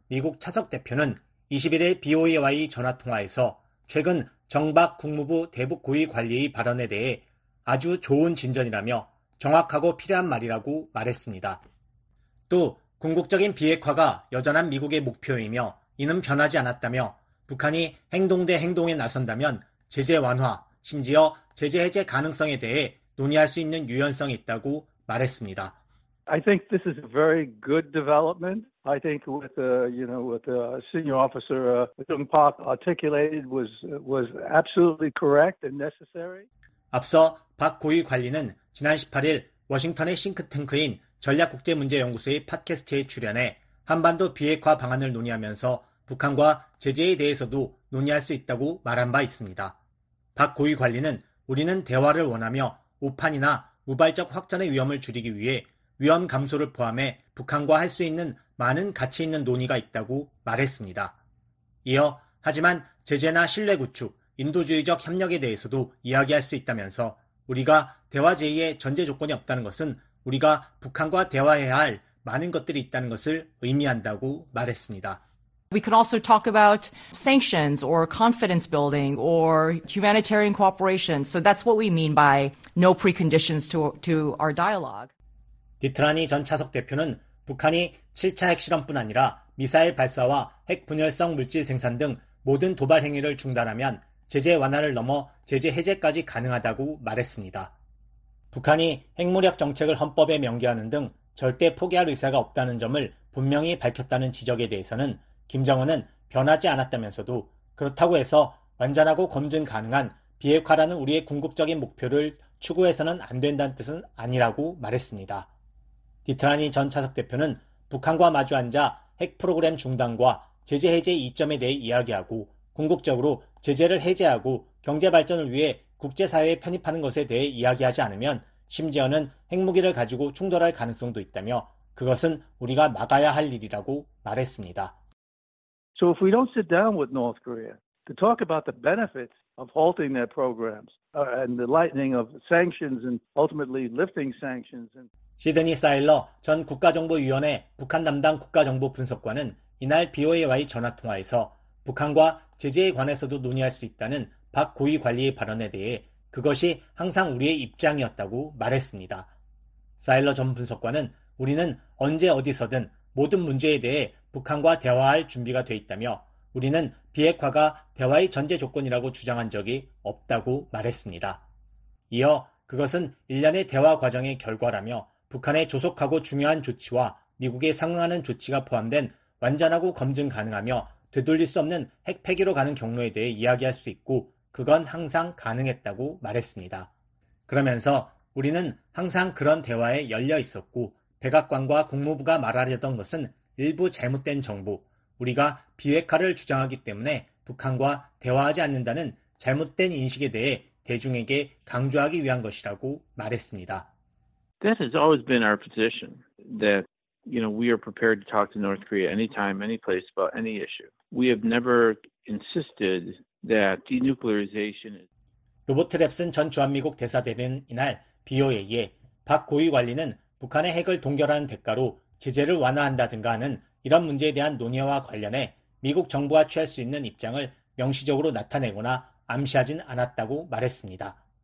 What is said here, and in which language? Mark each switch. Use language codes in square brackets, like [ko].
[ko] 미국 차석 대표는 21일 BOA와의 전화통화에서 최근 정 박 국무부 대북 고위 관리의 발언에 대해 아주 좋은 진전이라며 정확하고 필요한 말이라고 말했습니다. 또 궁극적인 비핵화가 여전한 미국의 목표이며 이는 변하지 않았다며 북한이 행동 대 행동에 나선다면 제재 완화, 심지어 제재 해제 가능성에 대해 논의할 수 있는 유연성이 있다고 말했습니다. [en] I think this is a very good development. I think with what the senior officer Jung Park articulated was absolutely correct and necessary. [ko] 앞서 박 고위 관리는 지난 18일 워싱턴의 싱크탱크인 전략국제문제연구소의 팟캐스트에 출연해 한반도 비핵화 방안을 논의하면서 북한과 제재에 대해서도 논의할 수 있다고 말한 바 있습니다. 박 고위 관리는 우리는 대화를 원하며 우판이나 우발적 확전의 위험을 줄이기 위해 위험 감소를 포함해 북한과 할 수 있는 많은 가치 있는 논의가 있다고 말했습니다. 이어 하지만 제재나 신뢰 구축, 인도주의적 협력에 대해서도 이야기할 수 있다면서 우리가 대화 제의에 전제 조건이 없다는 것은 우리가 북한과 대화해야 할 많은 것들이 있다는 것을 의미한다고 말했습니다. [en] We could also talk about sanctions or confidence building or humanitarian cooperation. So that's what we mean by no preconditions to our dialogue. [ko] 디트라니 전 차석 대표는 북한이 7차 핵실험뿐 아니라 미사일 발사와 핵분열성 물질 생산 등 모든 도발 행위를 중단하면 제재 완화를 넘어 제재 해제까지 가능하다고 말했습니다. 북한이 핵무력 정책을 헌법에 명기하는 등 절대 포기할 의사가 없다는 점을 분명히 밝혔다는 지적에 대해서는 김정은은 변하지 않았다면서도 그렇다고 해서 완전하고 검증 가능한 비핵화라는 우리의 궁극적인 목표를 추구해서는 안 된다는 뜻은 아니라고 말했습니다. 디트라니 전 차석 대표는 북한과 마주앉아 핵 프로그램 중단과 제재 해제 이점에 대해 이야기하고 궁극적으로 제재를 해제하고 경제 발전을 위해 국제사회에 편입하는 것에 대해 이야기하지 않으면 심지어는 핵무기를 가지고 충돌할 가능성도 있다며 그것은 우리가 막아야 할 일이라고 말했습니다. [en] So if we don't sit down with North Korea to talk about the benefits of halting their programs and the lightening of sanctions and ultimately lifting sanctions and [ko] 시드니 사일러 전 국가정보위원회 북한 담당 국가정보 분석관은 이날 BOA와의 전화통화에서 북한과 제재에 관해서도 논의할 수 있다는 박 고위 관리의 발언에 대해 그것이 항상 우리의 입장이었다고 말했습니다. 사일러 전 분석관은 우리는 언제 어디서든 모든 문제에 대해 북한과 대화할 준비가 돼 있다며 우리는 비핵화가 대화의 전제 조건이라고 주장한 적이 없다고 말했습니다. 이어 그것은 일련의 대화 과정의 결과라며 북한의 조속하고 중요한 조치와 미국에 상응하는 조치가 포함된 완전하고 검증 가능하며 되돌릴 수 없는 핵 폐기로 가는 경로에 대해 이야기할 수 있고 그건 항상 가능했다고 말했습니다. 그러면서 우리는 항상 그런 대화에 열려 있었고 백악관과 국무부가 말하려던 것은 일부 잘못된 정보, 우리가 비핵화를 주장하기 때문에 북한과 대화하지 않는다는 잘못된 인식에 대해 대중에게 강조하기 위한 것이라고 말했습니다. [en] That has always been our position, that we are prepared to talk to North Korea anytime, any place about any issue. We have never insisted that denuclearization is. [ko] 로버트 랩슨 전 주한미국 대사대리는 이날 BOA에 박 고위 관리는 북한의 핵을 동결하는 대가로 제재를 완화한다든가 하는 이런 문제에 대한 논의와 관련해 미국 정부가 취할 수 있는 입장을 명시적으로 나타내거나 암시하진 않았다고 말했습니다.